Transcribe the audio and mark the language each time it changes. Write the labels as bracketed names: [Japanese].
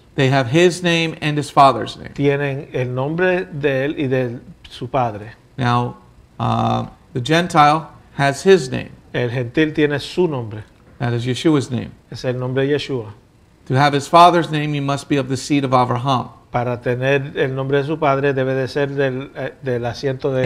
[English] They have his name and his father's name. [Spanish] Tienen el nombre de él y de su padre. [English] Now, the Gentile has his name. [Spanish] El gentil tiene su nombre. [English] That is Yeshua's name. [Spanish] Es el nombre de Yeshua. [English] To have his father's name, you must be of the seed of Abraham. [Spanish] Para tener el nombre de su padre debe de ser del asiento de